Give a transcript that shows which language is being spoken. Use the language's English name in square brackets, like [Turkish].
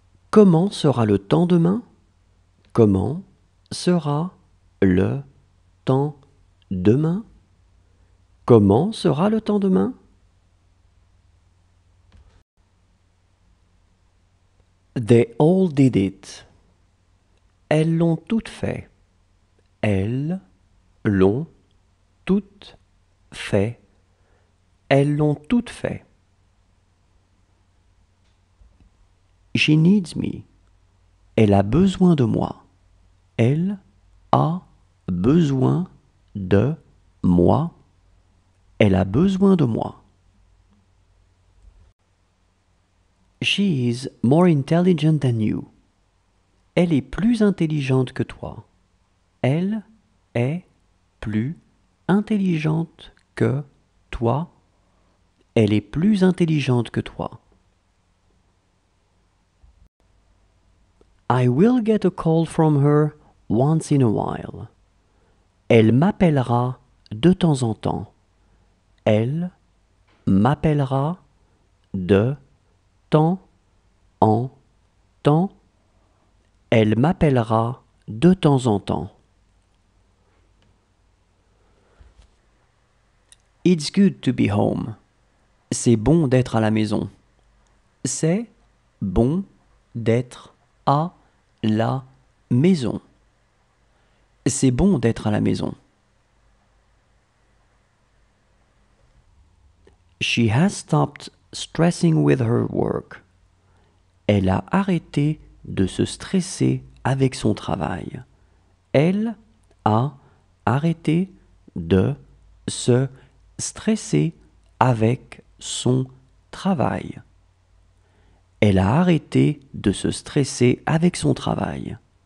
[French] Comment sera le temps demain? Comment sera le temps demain? Comment sera le temps demain? [English] They all did it. [French] Elles l'ont toutes fait. Elles l'ont toutes fait. Elles l'ont toutes fait. [English] She needs me. [French] Elle a besoin de moi. Elle a besoin de moi. Elle a besoin de moi. [English] She is more intelligent than you. [French] Elle est plus intelligente que toi. Elle est plus intelligente que toi. Elle est plus intelligente que toi. [English] I will get a call from her once in a while. [French] Elle m'appellera de temps en temps. Elle m'appellera de temps en temps. Elle m'appellera de temps en temps. [English] It's good to be home. [French] C'est bon d'être à la maison. C'est bon d'être à la maison. C'est bon d'être à la maison. [English] She has stopped stressing with her work. [French] Elle a arrêté de se stresser avec son travail. Elle a arrêté de se stresser avec son travail. Elle a arrêté de se stresser avec son travail.